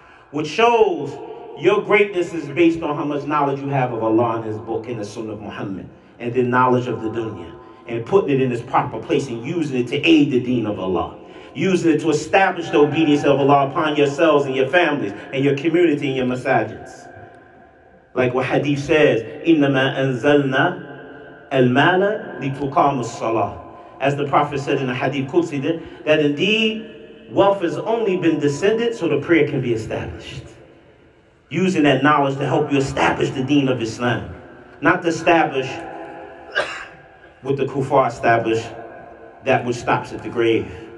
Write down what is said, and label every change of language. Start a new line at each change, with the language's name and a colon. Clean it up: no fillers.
English: which shows your greatness is based on how much knowledge you have of Allah and His book and the Sunnah of Muhammad, and then knowledge of the dunya, and putting it in its proper place and using it to aid the deen of Allah, using it to establish the obedience of Allah upon yourselves and your families and your community and your masajids. Like what Hadith says,
Arabic: إِنَّمَا أَنزَلْنَا الْمَالَ لِتُقَامُ الصَّلَاةِ.
English: As the Prophet said in the Hadith Qudsi, that indeed, wealth has only been descended so the prayer can be established. Using that knowledge to help you establish the deen of Islam. Not to establish what the kufar established, that which stops at the grave.